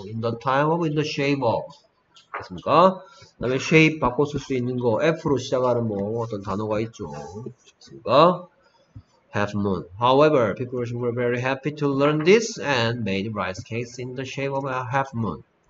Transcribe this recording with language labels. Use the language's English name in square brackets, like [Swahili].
[English] in the time of, in the shape of [Korean] 맞습니까? 그다음에 shape 바꿔 쓸수 있는 거 F로 시작하는 뭐 어떤 단어가 있죠. 맞습니까? [English] Half moon. However, people were very happy to learn this and made rice cakes in the shape of a half moon.